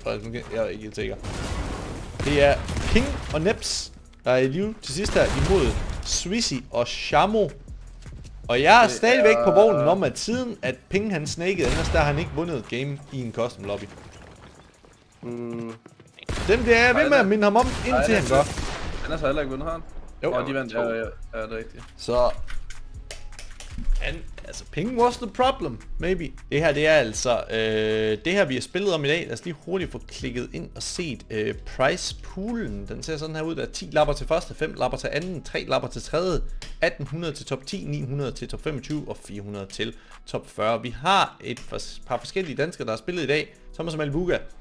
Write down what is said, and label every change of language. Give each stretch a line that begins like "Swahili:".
Danish: Jeg er ikke helt sikker. Det er King og Neps, der er lige til sidst her imod Swissy og Shamo. Og jeg er stadigvæk på vognen om, at siden at Ping han snakede, ellers der har han ikke vundet game i en custom lobby. Dem bliver jeg ved med at minde ham om, indtil han gør. Anders har heller ikke vundet, har han? Jo, de vandt. Ja, det er rigtigt. Så...
English: And, altså, Ping was the problem, maybe.
Danish: Det her, det er altså... det her, vi har spillet om i dag. Lad os lige hurtigt få klikket ind og set price poolen. Den ser sådan her ud. Der er 10 lapper til første, 5 lapper til anden, 3 lapper til tredje, 1800 til top 10, 900 til top 25 og 400 til top 40. Vi har et par forskellige danskere, der har spillet i dag. Thomas og Malbuga.